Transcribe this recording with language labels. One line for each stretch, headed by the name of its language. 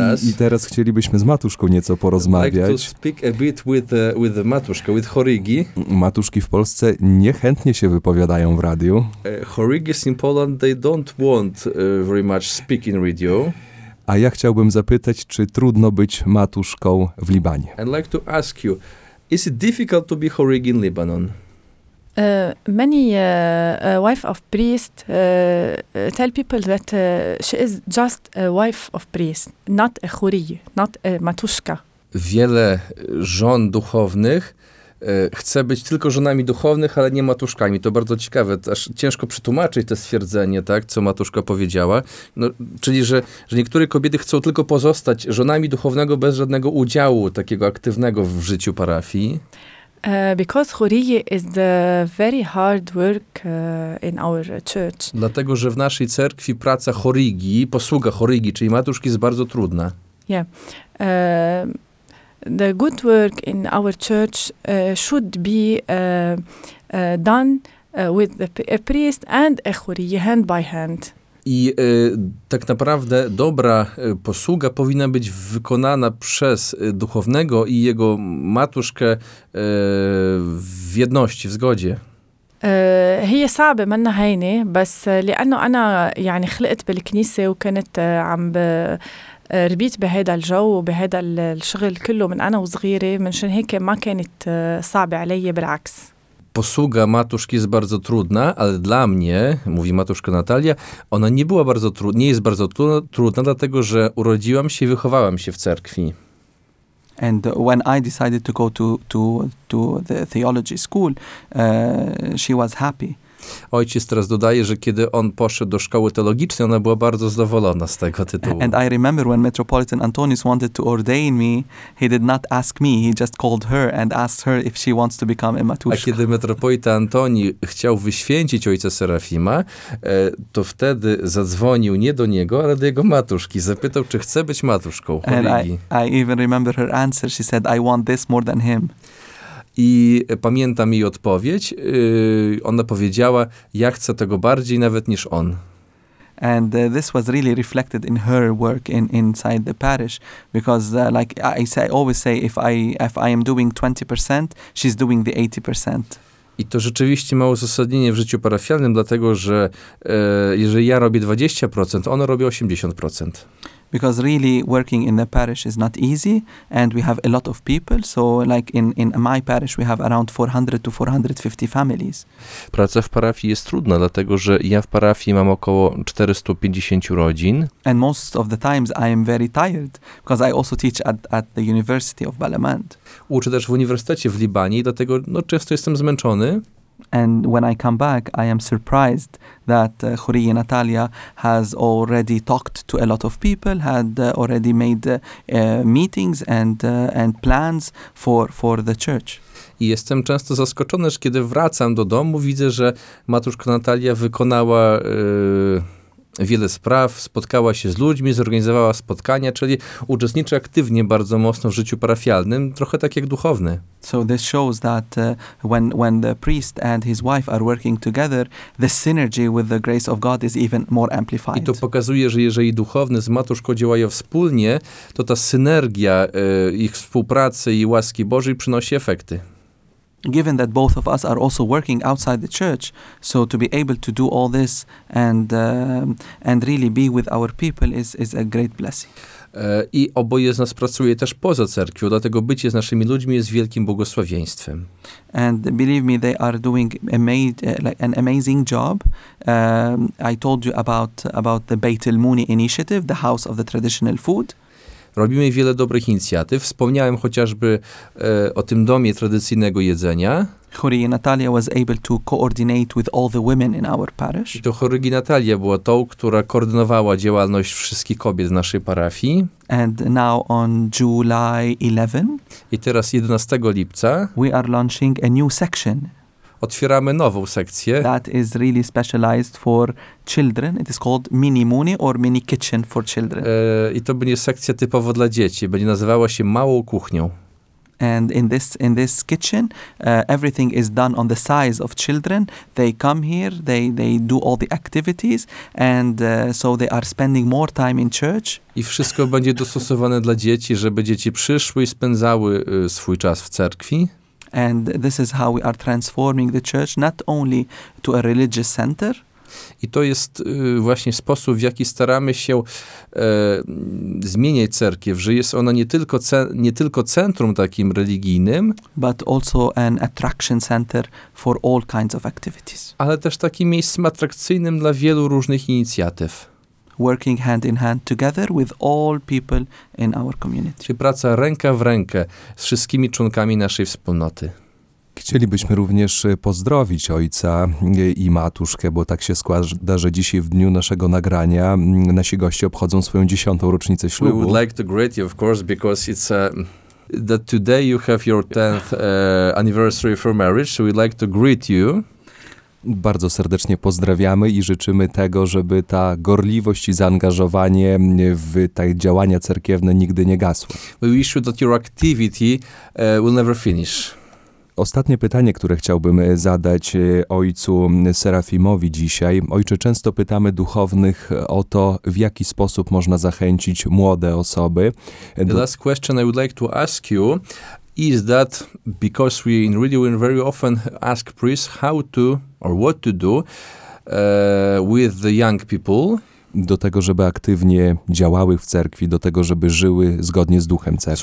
Polish: I teraz chcielibyśmy z matuszką nieco porozmawiać.
English: I'd like to speak a bit with matuszka, with Chorigi.
Polish: Matuszki w Polsce niechętnie się wypowiadają w radiu.
English: Chorigis in Poland, they don't want very much speak in radio.
Polish: A ja chciałbym zapytać, czy trudno być matuszką w Libanie?
English: I'd like to ask you, is it difficult to be chorigi in Lebanon? Many wife of priest tell people that she is just a wife of priest, not a chorigi, not a matuszka.
Polish: Wiele żon duchownych chce być tylko żonami duchownych, ale nie matuszkami. To bardzo ciekawe. Aż ciężko przetłumaczyć to stwierdzenie, tak, co matuszka powiedziała. No, czyli, że niektóre kobiety chcą tylko pozostać żonami duchownego bez żadnego udziału takiego aktywnego w życiu parafii.
English: Because churie is the very hard work in our church.
Polish: Dlatego, że w naszej cerkwi praca chorigi, posługa chorigi, czyli matuszki, jest bardzo trudna.
English: Yeah. the good work in our church should be done with a priest and a churi, hand by hand.
Polish: I tak naprawdę dobra posługa powinna być wykonana przez duchownego i jego matuszkę w jedności, w zgodzie.
Arabic: هي صعبة منا هينة بس لأنه أنا يعني خلقت بالكنيسة وكنت عم ربيت بهذا الجو وبهذا الشغل كله من أنا وصغيرة منشان هيك ما كانت صعبة علي بالعكس.
Polish: Posługa matuszki jest bardzo trudna, ale dla mnie, mówi matuszka Natalia, ona nie była bardzo trudna, nie jest bardzo trudna, dlatego że urodziłam się i wychowałam się w cerkwi.
English: And when I decided to go to the theology school, she was happy.
Polish: Ojciec teraz dodaje, że kiedy on poszedł do szkoły teologicznej, ona była bardzo zadowolona z tego tytułu.
English: And I remember when Metropolitan Antonius wanted to ordain me, he did not ask me, he just called her and asked her if she wants to become a matuszka.
Polish: A kiedy Metropolita Antoni chciał wyświęcić ojca Serafima, to wtedy zadzwonił nie do niego, ale do jego matuszki. Zapytał, czy chce być matuszką.
English: And I even remember her answer. She said, I want this more than him.
Polish: I pamiętam jej odpowiedź. Ona powiedziała, ja chcę tego bardziej nawet niż on.
English: And this was really reflected in her work inside the parish, because like I say, always say, if I am doing 20%, she's doing the 80%.
Polish: I to rzeczywiście ma uzasadnienie w życiu parafialnym, dlatego że jeżeli ja robię 20%, ona robi 80%.
English: Because really working in the parish is not easy and we have a lot of people, so like in my parish we have around 400 to 450 families.
Polish: Praca w parafii jest trudna, dlatego że ja w parafii mam około 450 rodzin.
English: And most of the times I am very tired because I also teach at the University of Balamand.
Polish: Uczę też w uniwersytecie w Libanii, dlatego no często jestem zmęczony.
English: And when I come back, I am surprised that Churi Natalia has already talked to a lot of people, had already made meetings and plans for the church.
Polish: I jestem często zaskoczony, że kiedy wracam do domu, widzę, że matuszka Natalia wykonała wiele spraw, spotkała się z ludźmi, zorganizowała spotkania, czyli uczestniczy aktywnie bardzo mocno w życiu parafialnym, trochę tak jak duchowny.
English: So this shows that when the priest and his wife are working together, the synergy with the grace of God is even more amplified.
Polish: I to pokazuje, że jeżeli duchowny z matuszką działają wspólnie, to ta synergia ich współpracy i łaski Bożej przynosi efekty.
English: Given that both of us are also working outside the church, so to be able to do all this and really be with our people is a great blessing.
Polish: I oboje z nas pracuje też poza cerkwią, dlatego bycie z naszymi ludźmi jest wielkim błogosławieństwem.
English: And believe me, they are doing an amazing job. I told you about the Beit El Muni initiative, the House of the Traditional Food.
Polish: Robimy wiele dobrych inicjatyw. Wspomniałem chociażby o tym domie tradycyjnego jedzenia.
English: Churi Natalia was able to coordinate with all the women in our parish.
Polish: I to Churi Natalia była tą, która koordynowała działalność wszystkich kobiet w naszej parafii.
English: And now on July 11.
Polish: I teraz 11 lipca.
English: We are launching a new section.
Polish: Otwieramy nową sekcję.
English: That is really specialized for children. It is called Mini Muni or Mini Kitchen for Children.
Polish: I to będzie sekcja typowo dla dzieci. Będzie nazywała się Małą Kuchnią.
English: And in this kitchen, everything is done on the size of children. They come here, they do all the activities, and so they are spending more time in church.
Polish: I wszystko będzie dostosowane dla dzieci, żeby dzieci przyszły i spędzały swój czas w cerkwi.
English: And this is how we are transforming the church, not only to a religious center.
Polish: I to jest właśnie sposób, w jaki staramy się zmieniać cerkiew, że jest ona nie tylko centrum takim religijnym,
English: but also an attraction center for all kinds of activities.
Polish: Ale też takim miejscem atrakcyjnym dla wielu różnych inicjatyw.
English: Working hand in hand together with all people in our community.
Polish: Czyli praca ręka w rękę z wszystkimi członkami naszej wspólnoty. Chcielibyśmy również pozdrowić ojca i matuszkę, bo tak się składa, że dzisiaj w dniu naszego nagrania nasi goście obchodzą swoją 10. rocznicę ślubu.
English: We would like to greet you, of course, because it's that today you have your 10th anniversary for marriage, so we'd like to greet you.
Polish: bardzo serdecznie pozdrawiamy i życzymy tego, żeby ta gorliwość i zaangażowanie w te działania cerkiewne nigdy nie gasło.
English: We wish you that your activity will never finish.
Polish: Ostatnie pytanie, które chciałbym zadać ojcu Serafimowi dzisiaj. Ojcze, często pytamy duchownych o to, w jaki sposób można zachęcić młode osoby.
English: The last question I would like to ask you is that, because we in radio we very often ask priests how to or what to do with the young people.
Polish: Do tego, żeby aktywnie działały w cerkwi, do tego, żeby żyły zgodnie z duchem cerkwi.